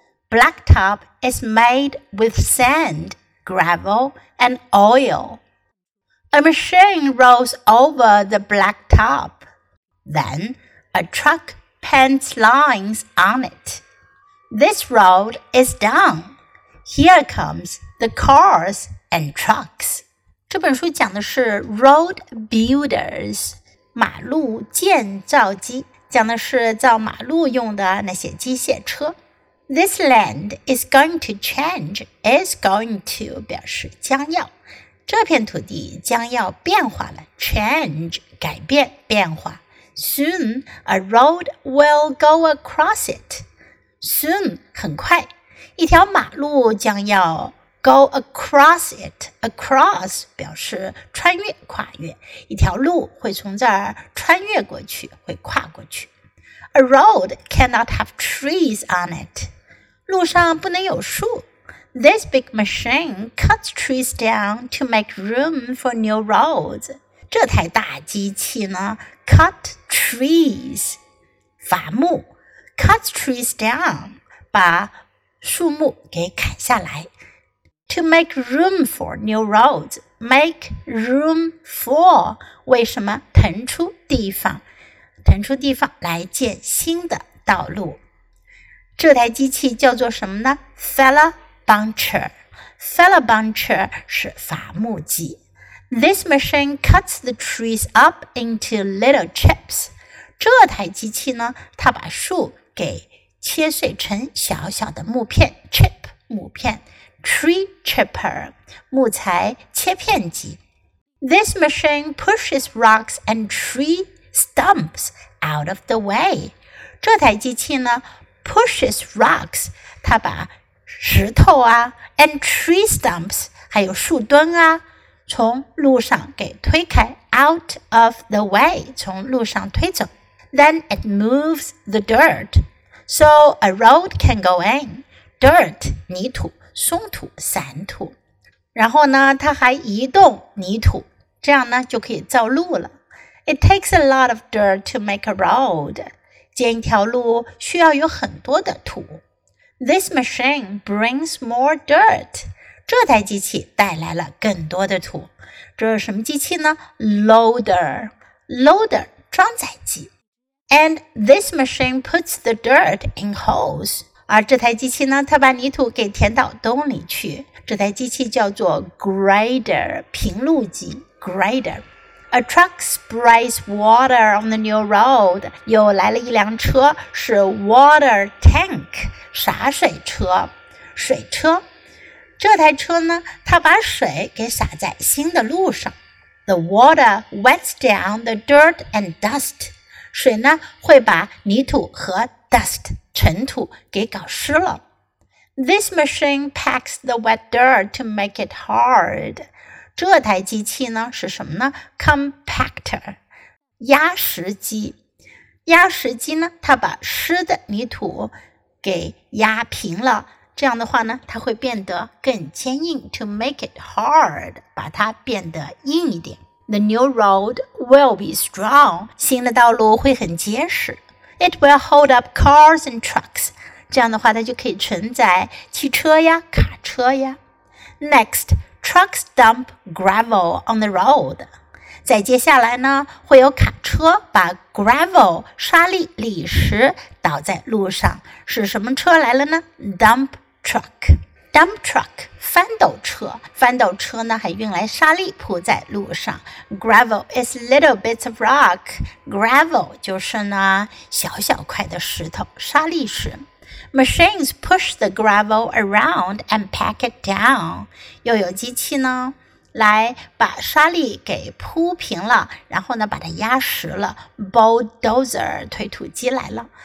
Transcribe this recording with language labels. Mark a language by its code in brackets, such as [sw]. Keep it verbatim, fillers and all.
[en] Blacktop is made with sand, gravel, and oil. A machine rolls over the blacktop. Then a truck paints lines on it. This road is done. Here comes the cars and trucks. [zh] 这本书讲的是 Road Builders, 马路建造机，讲的是造马路用的那些机械车。 [en] This land is going to change, is going to [zh] 表示将要，这片土地将要变化了 [en] change [zh] 改变变化。 [en] Soon a road will go across it. [zh] Soon 很快，一条马路将要 [en] go across it. [zh] Across 表示穿越跨越，一条路会从这儿穿越过去，会跨过去。 [en] A road cannot have trees on it. [zh] 路上不能有树。 [en] This big machine cuts trees down to make room for new roads. [zh] 这台大机器呢 ,cut trees, 伐木 , [en] cut trees down, [zh] 把树木给砍下来。 [en] To make room for new roads, make room for [zh] 为什么腾出地方？腾出地方来建新的道路。这台机器叫做什么呢 ？Fella Buncher。 Fella Buncher 是伐木机。 [en] This machine cuts the trees up into little chips。 [zh] 这台机器呢，它把树给切碎成小小的木片 ，chip 木片。 Tree chipper, 木材切片机。 [en] This machine pushes rocks and tree stumps out of the way. [zh] 这台机器呢 [en] pushes rocks, [zh] 它把石头啊 [en] and tree stumps, [zh] 还有树墩啊从路上给推开 [en] out of the way, [zh] 从路上推走。 [en] Then it moves the dirt, so a road can go in. [zh] Dirt, 泥土。松土、散土，然后呢，它还移动泥土，这样呢就可以造路了。 [en] It takes a lot of dirt to make a road. [zh] 建一条路需要有很多的土。 [en] This machine brings more dirt. [zh] 这台机器带来了更多的土。这是什么机器呢 ？Loader, loader 装载机。 [en] And this machine puts the dirt in holes. [zh] 而这台机器呢，它把泥土给填到洞里去。这台机器叫做 grader 平路机 grader。 A truck sprays water on the new road. 又来了一辆车，是 water tank 洒水车。水车。这台车呢，它把水给洒在新的路上。 [en] The water wets down the dirt and dust. [zh] 水呢，会把泥土和 dust 尘土给搞湿了。 [en] This machine packs the wet dirt to make it hard. [zh] 这台机器呢，是什么呢？Compactor. 压实机。压实机呢，它把湿的泥土给压平了。这样的话呢，它会变得更坚硬 [en] to make it hard, [zh] 把它变得硬一点。 [en] The new road will be strong, [zh] 新的道路会很结实。 [en] It will hold up cars and trucks, [zh] 这样的话它就可以承载汽车呀、卡车呀。 [en] Next, trucks dump gravel on the road. [zh] 再接下来呢，会有卡车把 gravel 沙粒砾石倒在路上，是什么车来了呢？ Dump truck dump truck 翻斗车，翻斗车呢还运来沙粒铺在路上。 [en] Gravel is little bits of rock. [zh] Gravel 就是呢小小块的石头，沙粒石。 [en] Machines push the gravel around and pack it down. [zh] 又有机器呢来把沙粒给铺平了，然后呢把它压实了。 Bulldozer 推土机来了。